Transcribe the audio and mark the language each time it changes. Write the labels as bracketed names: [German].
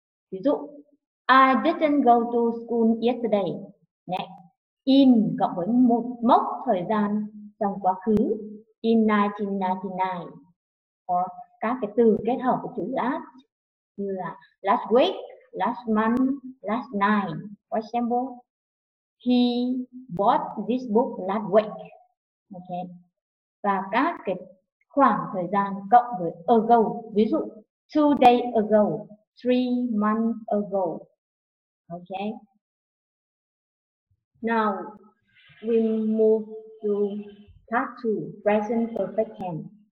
[Vietnamese] Ví dụ, [English] I didn't go to school yesterday. [Vietnamese] Next, in cộng với một mốc thời gian trong quá khứ, in 1999. Or các cái từ kết hợp của chữ last, như là [English] last week, last month, last night. For example, he bought this book last week. Okay. [Vietnamese] Và các cái khoảng thời gian cộng với ago, ví dụ [English] 2 days ago, 3 months ago. Okay. Now we move to part 2, present perfect tense.